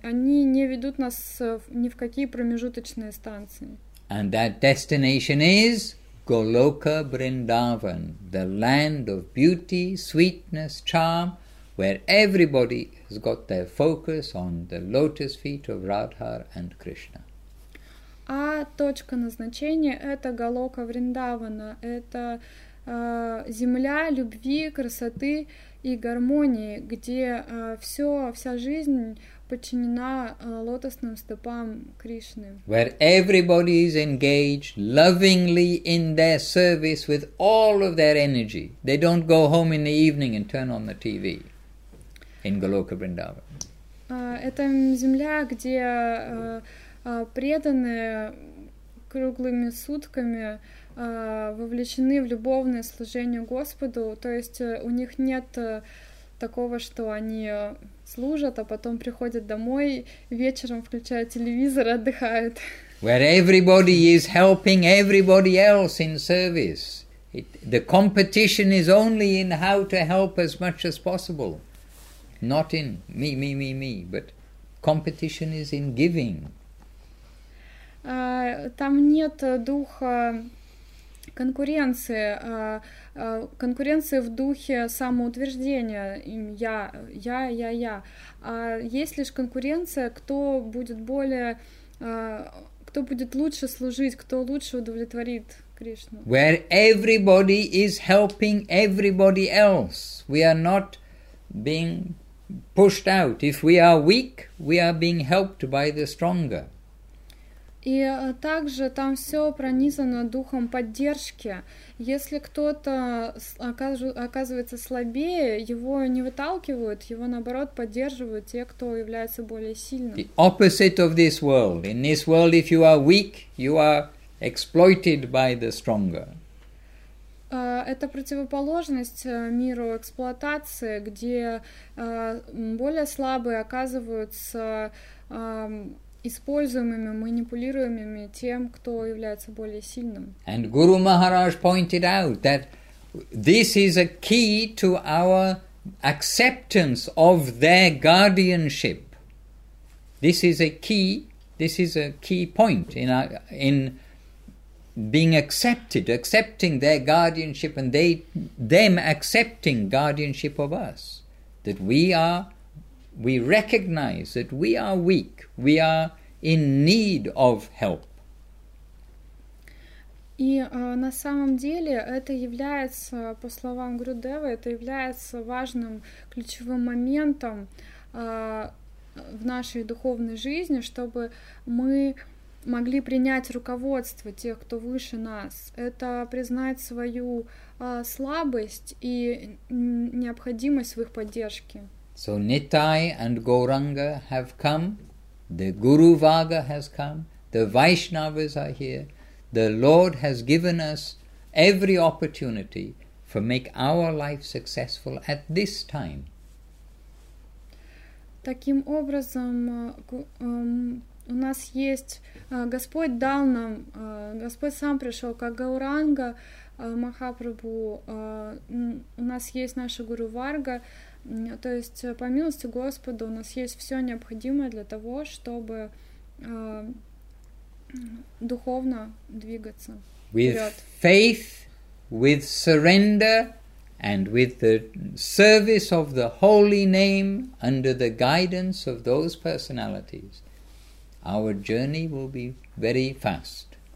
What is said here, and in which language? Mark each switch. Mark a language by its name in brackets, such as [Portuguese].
[Russian] Они не ведут нас ни в какие промежуточные станции. [English] And that destination is Goloka Vrindavan, the land of beauty, sweetness, charm, where everybody has got their focus on the lotus feet of Radha and Krishna. [Russian] А точка назначения — это Голока Вриндавана, это земля любви, красоты и гармонии, где вся жизнь подчинена лотосным стопам Кришны. [English] Where everybody is engaged lovingly in their service with all of their energy. They don't go home in the evening and turn on the TV in Goloka Vrindavan. [Russian] Это земля, где преданные круглыми сутками вовлечены в любовное служение Господу, то есть у них нет такого, что они служат, а потом приходят домой, вечером включают телевизор и отдыхают. [English] Where everybody is helping everybody else in service. The competition is only in how to help as much as possible. Not in me, but competition is in giving. [Russian] Там нет духа конкуренции, конкуренции в духе самоутверждения, я, а есть лишь конкуренция, кто будет более, кто будет лучше служить, кто лучше удовлетворит Кришну. [English] Where everybody is helping everybody else, we are not being pushed out. If we are weak, we are being helped by the stronger. [Russian] И также там все пронизано духом поддержки. Если кто-то оказывается слабее, его не выталкивают, его наоборот поддерживают те, кто является более сильным. [English] The opposite of this world. In this world, if you are weak, you are exploited by the stronger. [Russian] Это противоположность миру эксплуатации, где более слабые оказываются используемыми, манипулируемыми тем, кто является более сильным. [English] And Guru Maharaj pointed out that this is a key to our acceptance of their guardianship. This is a key. This is a key point in being accepted, accepting their guardianship, and them accepting guardianship of us. That we recognize that we are weak. We are in need of help. [Russian] И на самом деле это является, по словам Гурудева, это является важным ключевым моментом в нашей духовной жизни, чтобы мы могли принять руководство тех, кто выше нас. Это признать свою слабость и необходимость в их поддержке. [English] So Nittai and Gauranga have come. The Guru Vaga has come, the Vaishnavas are here, the Lord has given us every opportunity to make our life successful at this time. [Russian] Таким образом, у нас есть, Господь дал нам, Господь сам пришел, как Гауранга, Махапрабху, у нас есть наша Гуру Варга. То есть, по милости Господа, у нас есть все необходимое для того, чтобы духовно двигаться вперед. [English] With faith, with surrender, and with the service of the holy name under the guidance of those personalities, our journey will be very fast.